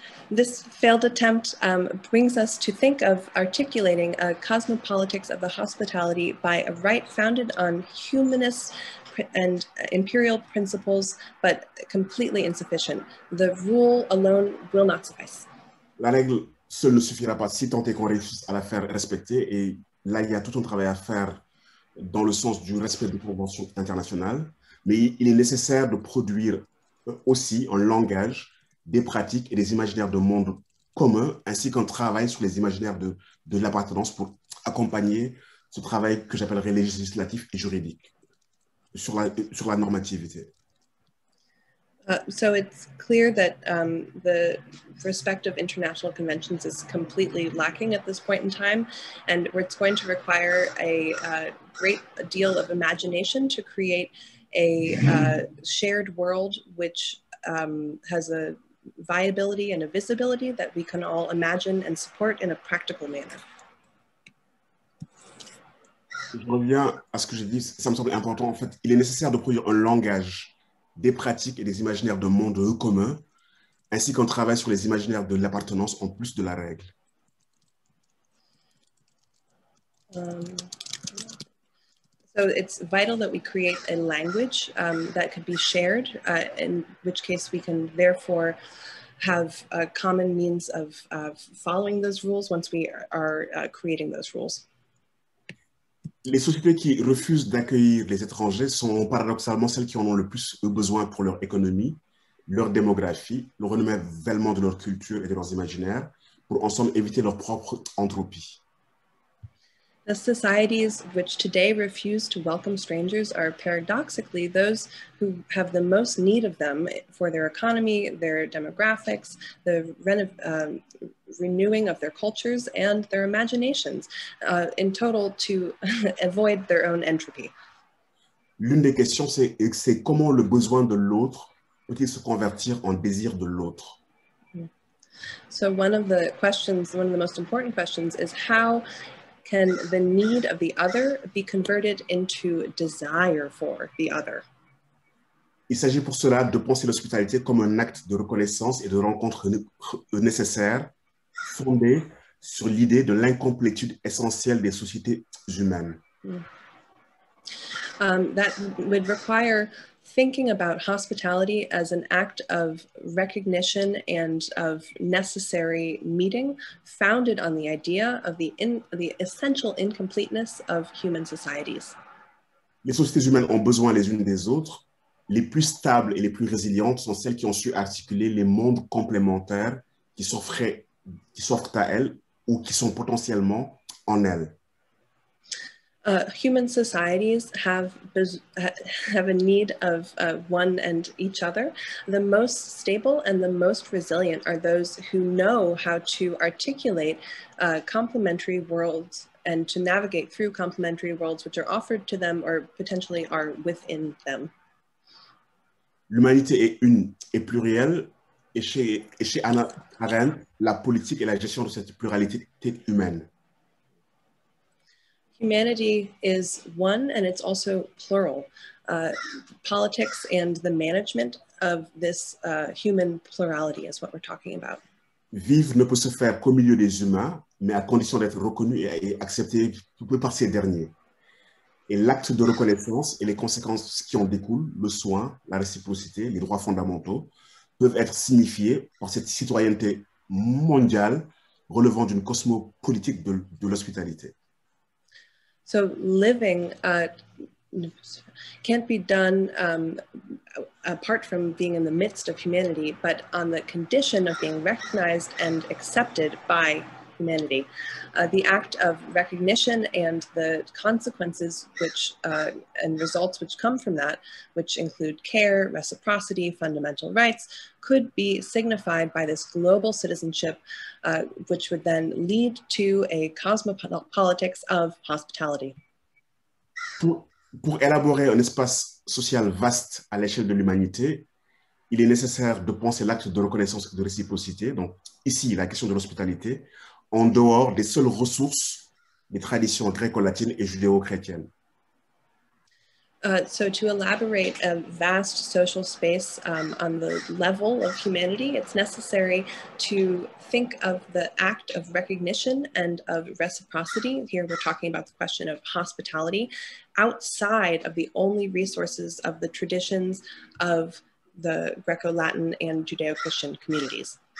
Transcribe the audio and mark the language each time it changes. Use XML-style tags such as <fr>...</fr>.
<en>This failed attempt brings us to think of articulating a cosmopolitics of the hospitality by a right founded on humanist and imperial principles, but completely insufficient. The rule alone will not suffice.</en> <fr>La règle seule ne suffira pas si tant est qu'on réussisse à la faire respecter. Et là, il y a tout un travail à faire dans le sens du respect des conventions internationales. Mais il est nécessaire de produire aussi un langage, des pratiques et des imaginaires de monde commun, ainsi qu'un travail sur les imaginaires de l'appartenance pour accompagner ce travail que j'appellerais législatif et juridique sur la normativité.</fr> <en>So it's clear that the respect of international conventions is completely lacking at this point in time, and it's going to require a great deal of imagination to create a shared world which has a viability and a visibility that we can all imagine and support in a practical manner.</en> <fr>Je reviens à ce que j'ai dit, ça me semble important. En fait, il est nécessaire de produire un langage, des pratiques et des imaginaires de monde commun, ainsi qu'un travail sur les imaginaires de l'appartenance en plus de la règle.</fr> <en>So it's vital that we create a language that could be shared, in which case we can therefore have a common means of following those rules once we are creating those rules.</en> <fr>Les sociétés qui refusent d'accueillir les étrangers sont paradoxalement celles qui en ont le plus besoin pour leur économie, leur démographie, le renouvellement de leur culture et de leurs imaginaires, pour en somme éviter leur propre entropie.</fr> <en>The societies which today refuse to welcome strangers are paradoxically those who have the most need of them for their economy, their demographics, the renewing of their cultures and their imaginations, in total to avoid their own entropy.</en> <fr>L'une des questions, c'est comment le besoin de l'autre peut-il se convertir en désir de l'autre?</fr> <en>So one of the questions, one of the most important questions is how can the need of the other be converted into desire for the other?</en> <fr>Il s'agit pour cela de penser l'hospitalité comme un acte de reconnaissance et de rencontre nécessaire, fondé sur l'idée de l'incomplétude essentielle des sociétés humaines.</fr> <en>that would require thinking about hospitality as an act of recognition and of necessary meeting, founded on the idea of the essential incompleteness of human societies.</en> <fr>Les sociétés humaines ont besoin les unes des autres. Les plus stables et les plus résilientes sont celles qui ont su articuler les mondes complémentaires qui s'offrent à elles ou qui sont potentiellement en elles.</fr> <en>Human societies have a need of one and each other. The most stable and the most resilient are those who know how to articulate complementary worlds and to navigate through complementary worlds which are offered to them or potentially are within them.</en> <fr>L'humanité est une et plurielle, et chez Anna Arendt, la politique et la gestion de cette pluralité est humaine.</fr> <en>Humanity is one and it's also plural. Politics and the management of this human plurality is what we're talking about.</en> <fr>Vivre ne peut se faire qu'au milieu des humains, mais à condition d'être reconnu et accepté par ces derniers. Et l'acte de reconnaissance et les conséquences qui en découlent, le soin, la réciprocité, les droits fondamentaux, peuvent être signifiés par cette citoyenneté mondiale relevant d'une cosmopolitique de l'hospitalité.</fr> <en>So living can't be done apart from being in the midst of humanity, but on the condition of being recognized and accepted by humanity. The act of recognition and the consequences and results which come from that, which include care, reciprocity, fundamental rights, could be signified by this global citizenship, which would then lead to a cosmopolitics of hospitality.</en> <fr>Pour élaborer un espace social vaste à l'échelle de l'humanité, il est nécessaire de penser l'acte de reconnaissance et de réciprocité, donc ici la question de l'hospitalité, en dehors des seules ressources des traditions gréco-latines et judéo-chrétiennes.</fr> <en>So to elaborate a vast social space on the level of humanity, it's necessary to think of the act of recognition and of reciprocity. Here we're talking about the question of hospitality outside of the only resources of the traditions of the Greco-Latin and Judeo-Christian communities.</en>